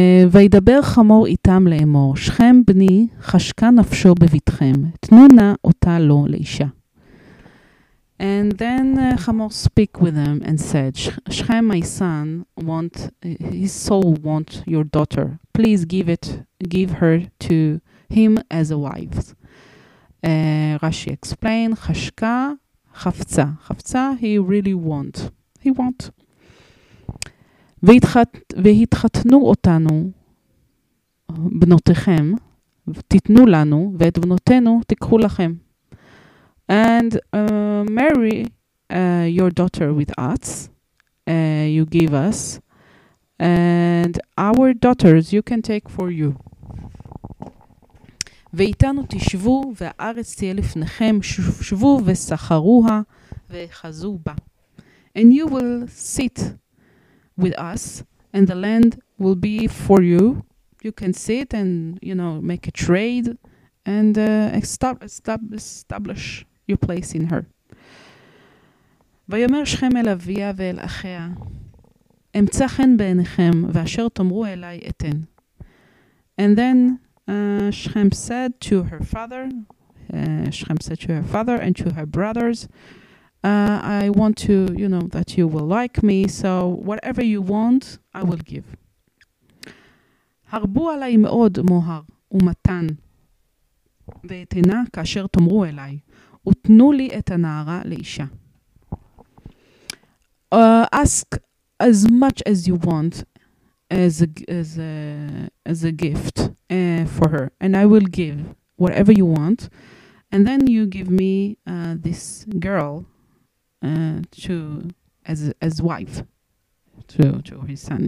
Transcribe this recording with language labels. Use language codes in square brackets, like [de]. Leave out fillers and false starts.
[he] וידבר חמור איתם לאמור, שכם בני חשקה נפשו בביתכם, תנו נא אותה לו לאישה. [en] And then Hamor speak with him and said, Shechem, my son, his soul want your daughter. Please give her to him as a wife. Rashi explain, Chashka, Chafza. Chafza, he really want. He want. [he] והתחתנו אותנו, בנותיכם, תתנו לנו, ואת בנותינו תקחו לכם. [en] And marry your daughter with us, you give us, and our daughters you can take for you. [he] ואיתנו תשבו, והארץ תהיה לפניכם, שבו וסחרוה, וחזו בה. [en] And you will sit with us, and the land will be for you. You can sit and, you know, make a trade, and establish your place in her. [he] ויאמר שכם אל אביה ואל אחיה, אמצא חן בעיניכם, ואשר תאמרו אליי אתן. [en] And then Shechem said to her father, and to her brothers, I want to, you know, that you will like me, so whatever you want, I will give. [he] הרבו עליי מאוד מוהר ומתן, ואתנה כאשר תאמרו אליי, ותנו לי את הנערה לאישה. [en] Ask as much as you want as a gift for her, and I will give whatever you want, and then you give me this girl as wife to his son.